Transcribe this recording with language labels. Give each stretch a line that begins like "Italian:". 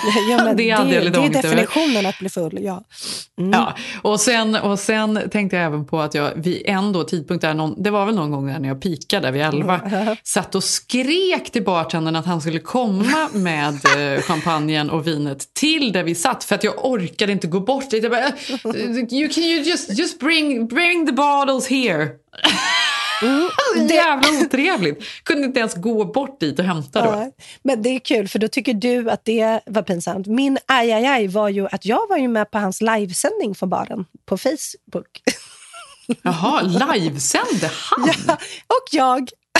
Swedish: Ja, men det är definitionen att bli full, ja. Ja, och sen tänkte jag även på att jag vid en då tidpunkt där, det var väl någon gång när jag peakade vid 11, satt och skrek till bartendern att han skulle komma med champagnen och vinet till där vi satt, för att jag orkade inte gå bort.
English: You can you just bring the bottles here.
Swedish: Jävla otrevligt. Kunde inte ens gå bort dit och hämta då. Men det är kul, för då tycker du att det var pinsamt. Min ajajaj var ju att jag var ju med på hans livesändning från baren på Facebook. Jaha, livesände han? Ja, och jag.